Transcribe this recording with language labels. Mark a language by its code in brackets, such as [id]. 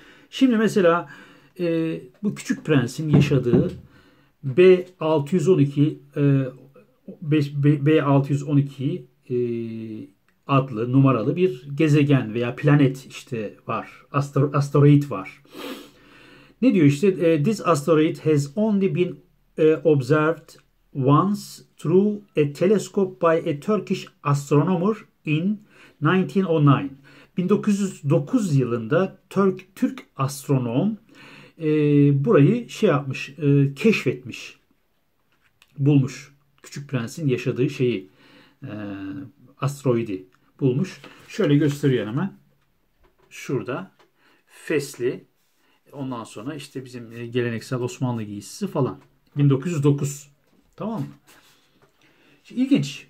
[tr] Şimdi mesela bu Küçük Prens'in yaşadığı B612 B612 adlı numaralı bir gezegen veya planet işte var. Asteroid var. Ne diyor işte? [en] This asteroid has only been observed once through a telescope by a Turkish astronomer in 1909. [tr] 1909 yılında Türk astronom burayı şey yapmış, keşfetmiş, bulmuş. Küçük Prens'in yaşadığı şeyi, asteroidi bulmuş. Şöyle gösteriyor hemen. Şurada fesli, ondan sonra işte bizim geleneksel Osmanlı giysisi falan. 1909. Tamam mı? İlginç.